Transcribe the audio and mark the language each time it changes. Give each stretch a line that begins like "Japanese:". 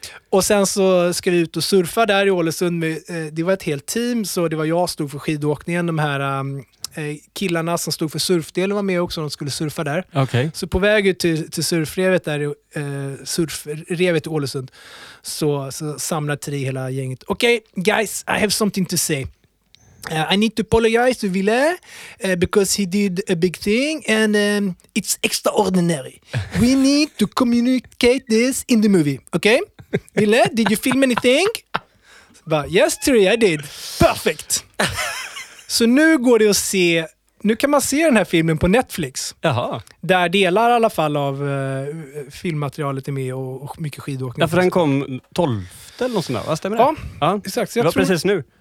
Swedish: Och sen så ska vi ut och surfa där i Ålesund. Det var ett helt team, så det var jag som stod för skidåkningen. De här killarna som stod för surfdelen var med också, de skulle surfa där.
English: Okay.
Swedish: Så på väg ut till surfrevet där, surfrevet i Ålesund, så samlar tre hela gänget.
English: Okej, guys, I have something to say. I need to apologize to Ville because he did a big thing and it's extraordinary. We need to communicate this in the movie, okay? Ville, did you film anything? But yes, Tiri, I did. Perfect.
Swedish: Så nu går det att se, nu kan man se den här filmen på Netflix. Jaha. Där delar i alla fall av filmmaterialet är med och mycket skidåkning. Ja, för den kom 12 eller något sånt där, stämmer det? Ja, ja. Exakt. Det var precis nu.